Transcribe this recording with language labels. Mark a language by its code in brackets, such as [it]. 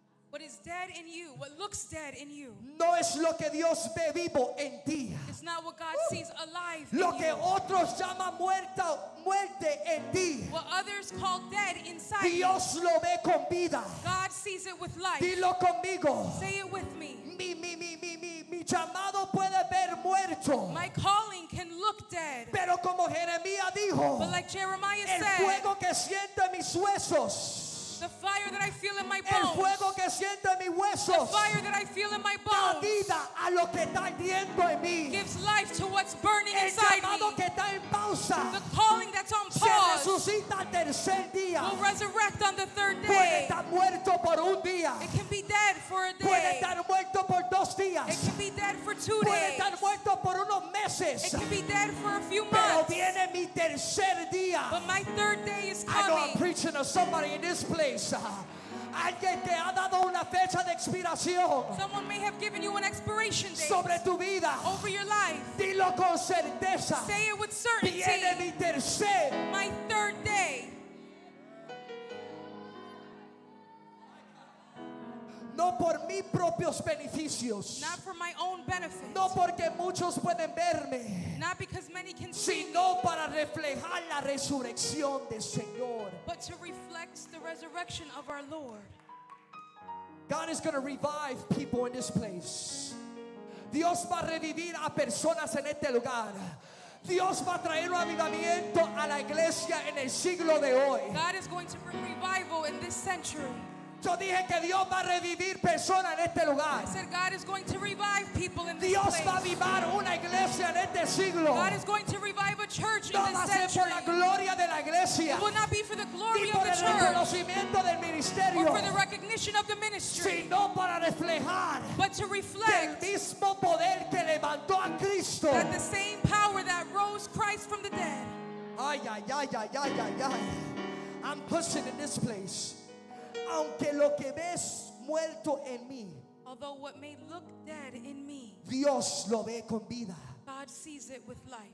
[en] What is dead in you, what looks dead in you. [es] No es lo que Dios ve vivo en ti. [en] It's not what God sees alive [es] lo [en] in you. [es] Lo que otros llaman muerta, muerte en ti. [en] What others call dead inside [es] Dios [en] you. [es] Dios lo ve con vida. [en] God sees it with life. [es] Dilo conmigo. [en] Say it with me. [es] Mi llamado puede ver muerto. [en] My calling can look dead. [es] Pero como Jeremías dijo. [en] But like Jeremiah said. [es] El fuego que siento en mis huesos. [en] The fire that I feel in my bones. [es] El fuego que siento en mis huesos. [en] The fire that I feel in my bones. [es] Da vida a lo que está ardiendo en mí. [en] Gives life to what's burning inside me. [es] El llamado que está en pausa. [en] The calling that's on pause. [es] Se resucita al tercer día. [en] Will resurrect on the third day. [es] Puede estar muerto por un día. [en] It can be dead for a day. [es] Puede estar muerto por dos días. [en] It can be dead for 2 days. [es] Puede estar muerto por unos meses. [en] It can be dead for a few months. [es] Pero viene mi tercer día. [en] But my third day is coming. I know I'm preaching to somebody in this place. [es] Alguien te ha dado una fecha de expiración. [en] Someone may have given you an expiration date. [es] Sobre tu vida. [en] Over your life. [es] Dilo con certeza. [en] Say it with certainty. [es] Viene mi tercer. [en] My third day. [es] No por mis propios beneficios. [en] Not for my own benefit. [es] No porque muchos pueden verme. [en] Not because many can see. [es] Sino para reflejar la resurrección del Señor. [en] But to reflect the resurrection of our Lord. God is going to revive people in this place. [es] Dios va a revivir a personas en este lugar. Dios va a traer un avivamiento a la iglesia en el siglo de hoy. [en] God is going to bring revival in this century. [es] Yo dije que Dios va a revivir personas en este lugar. [en] I said God is going to revive people in [es] Dios [en] this place. [es] Dios va a avivar una iglesia en este siglo. [en] God is going to revive a church [es] no No va a ser por la gloria de la iglesia. [en] It will not be for the glory of the church. [es] Ni por el reconocimiento del ministerio. [en] Or for the recognition of the ministry. [es] Sino para reflejar. [en] But to reflect. [es] Que el mismo poder que levantó a Cristo. [en] That the same power that rose Christ from the dead. Ay, ay, ay, ay, ay, ay, ay. I'm pushing in this place. [es] Aunque lo que ves muerto en mí, [en] although what may look dead in me, [es] Dios lo ve con vida. [en] God sees it with life.